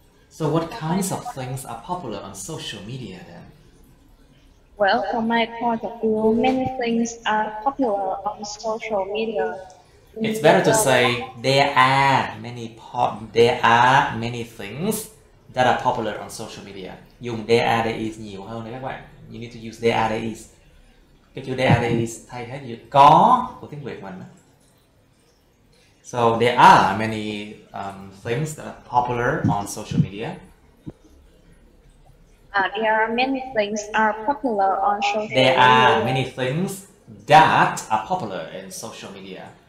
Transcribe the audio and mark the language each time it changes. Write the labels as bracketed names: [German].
[English] So what kinds of things are popular on social media then? Well, from my point of view, many things are popular on social media. It's better to say there are many things that are popular on social media. [Vietnamese] Dùng [English] there are there is [Vietnamese] nhiều hơn đấy các bạn. [English] You need to use there are there is. [Vietnamese] Cái chữ [English] there are there is [Vietnamese] thay thế chữ có của tiếng Việt mình. [English] So there are many things that are popular on social media. There are many things that are popular in social media.